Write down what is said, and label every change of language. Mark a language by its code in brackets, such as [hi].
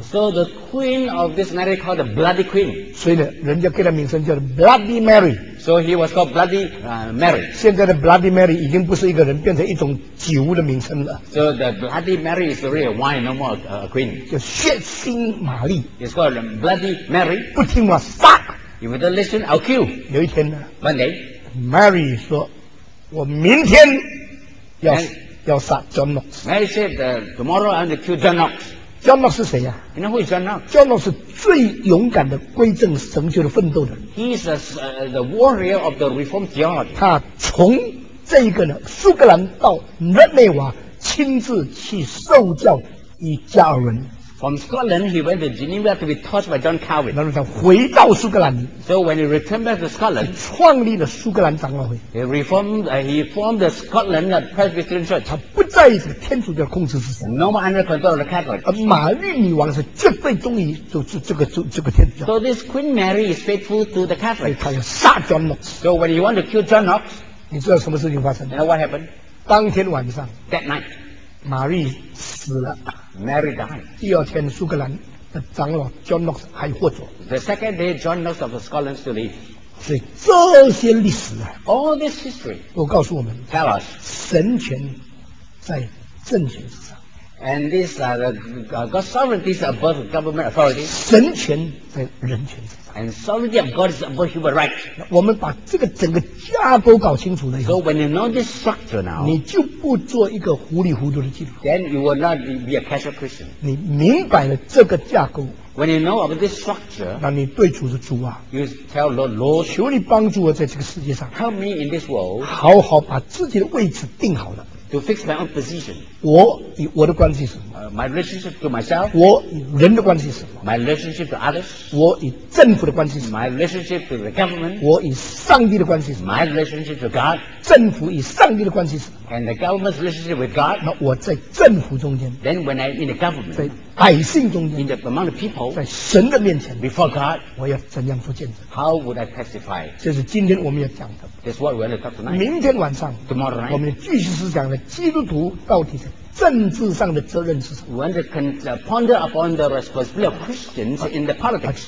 [en] So the Queen of this Mary called the Bloody Queen. [zh] 所以呢，人家给她名称叫 Bloody Mary. [en] So he was called Bloody Mary. [zh] 现在的 Bloody Mary 已经不是一个人，变成一种酒的名称了。 [en] So the Bloody Mary is really a wine, no more a queen. [zh] 叫血腥玛丽。 [en] It's called Bloody Mary. [zh] 不听话，杀。 [en] If you don't listen, I'll kill. [zh] 有一天呢 [en] ，Monday, [zh] Mary 说，我明天要 and, 要杀 John Knox. [en] Mary said, tomorrow I'm going to kill John Knox. [zh] John Knox 是谁呀、 [en] 啊、？You know who is John Knox? [zh] John Knox 是最勇敢的归正神学的奋斗的。 [en] He's the warrior of the Reformed theology. [zh] 他从这一个呢，苏格兰到日内瓦，亲自去受教与加尔文。 [en] From Scotland, he went to Geneva to be taught by John Calvin. [zh] 然后他回到苏格兰。 [en] So when he returned back to Scotland, [zh] 创立了苏格兰长老会。 [en] He reformed, he formed the Scotland Presbyterian Church. [zh] 他不在这个天主教控制之下。 [en] No more under control of the Catholic. [zh] 玛丽女王是绝对忠于这个天主教。 [en] So this Queen Mary is faithful to the Catholic. [zh] 他要杀 John Knox. [en] So when he want to kill John Knox, [zh] 你知道什么事情发生？ [en] You know what happened? [zh] 当天晚上。 [en] That night. [zh] 玛丽死了。 [en] Mary died. [zh] 第二天，苏格兰的长老 John Knox 还活着。 [en] The second day, John Knox of Scotland still lives. [zh] 所以这些历史啊 [en] ，All this history， [zh] 都告诉我们 [en] ，Tell us， [zh] 神权在政权之上。 [en] And this God's sovereignty is above government authority. [zh] 神权在人权之上。 [en] And sovereignty of God is above human rights. [zh] 我们把这个整个架构搞清楚了以后 [en] ，So when you know this structure now， [zh] 你就不做一个糊里糊涂的基督徒。 [en] Then you will not be a casual Christian. [zh] 你明白了这个架构。 [en] When you know about this structure， [zh] 那你对主是主啊。 [en] You tell the Lord， [zh] 求你帮助我在这个世界上。 [en] Help me in this world， [zh] 好好把自己的位置定好了。 [en] To fix my own position， [zh] 我的关系是什么？ [en] My relationship to myself， [zh] 我人的关系是什么？ [en] My relationship to others， [zh] 我与政府的关系是什么？ [en] My relationship to the government， [zh] 我与上帝的关系是什么？ [en] My relationship to God， [zh] 政府与上帝的关系是什么？ [en] And the government's relationship with God， [zh] 那我在政府中间， [en] Then when I'm in the government， [zh] 在百姓中间， [en] In the among the people， [zh] 在神的面前， [en] Before God， [zh] 我要怎样做见证？ [en] How would I testify？ [zh] 这是今天我们要讲的。 [en] That's what we're going to talk tonight。 [zh] 明天晚上， [en] Tomorrow night， [zh] 我们继续是讲的基督徒到底是政治上的责任是什么。 [en] We want to ponder upon the responsibility of Christians in the politics。